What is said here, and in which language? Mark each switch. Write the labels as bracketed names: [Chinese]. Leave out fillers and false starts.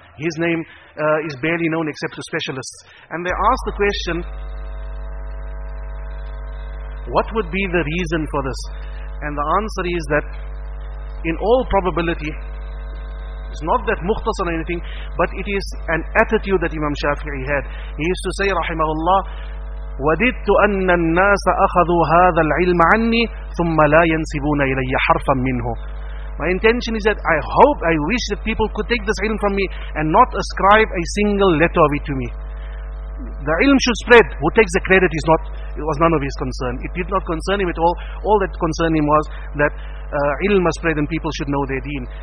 [English] His name is barely known except to specialists. And they ask the question, what would be the reason for this? And the answer is that, in all probability, it's not that Mukhtasar or anything, but it is an attitude that Imam Shafi'i had. He used to say, rahimahullah, [Arabic] وَدِدْتُ أَنَّ النَّاسَ أَخَذُوا هَذَا الْعِلْمَ عَنِّي ثُمَّ لَا يَنْسِبُونَ إِلَيَّ حَرْفًا مِّنْهُ. [English] My intention is that I hope, I wish that people could take this ilm from me and not ascribe a single letter of it to me. The ilm should spread. Who takes the credit is not, it was none of his concern. It did not concern him at all. All that concerned him was that ilm must spread and people should know their deen.